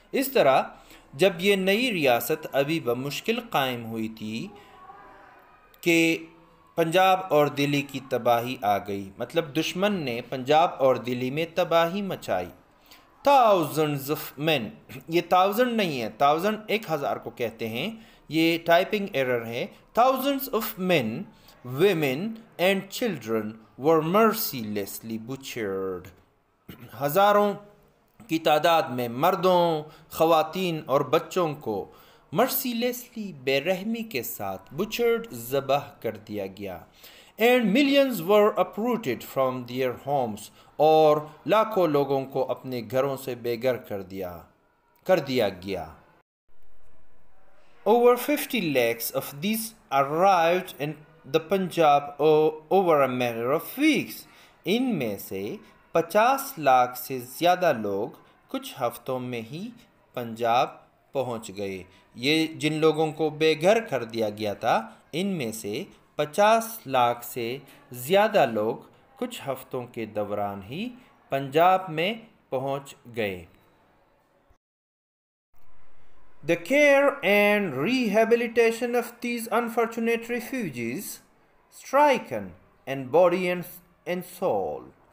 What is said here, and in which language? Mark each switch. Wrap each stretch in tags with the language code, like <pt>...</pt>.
<hi>इस तरह जब ये नई रियासत अभी बमुश्किल कायम हुई थी कि पंजाब और दिल्ली की तबाही आ गई, मतलब दुश्मन ने पंजाब और दिल्ली में तबाही मचाई।</hi> <en>thousands of men,</en> <hi>ये थाउजेंड नहीं है, थाउजेंड एक हज़ार को कहते हैं, ये टाइपिंग एरर है।</hi> <en>Thousands of men women and children were mercilessly butchered.</en> <hi>हज़ारों की तादाद में मर्दों, ख़वातीन और बच्चों को</hi> <en>mercilessly</en> <hi>berehmi ke sath</hi> <en>butchered</en> <hi>zabah kar diya gaya,</hi> <en>and millions were uprooted from their homes,</en> <hi>aur lakho logon ko apne gharon se beghar kar diya gaya.</hi> <en>Over 50 lakhs of these arrived in the Punjab over a matter of weeks.</en> <hi>In me se 50 lakh se zyada log kuch hafton mein hi Punjab पहुंच गए। ये जिन लोगों को बेघर कर दिया गया था, इनमें से 50 लाख से ज़्यादा लोग कुछ हफ्तों के दौरान ही पंजाब में पहुंच गए।</hi> <en>The care and rehabilitation of these unfortunate refugees stricken and body and soul.</en>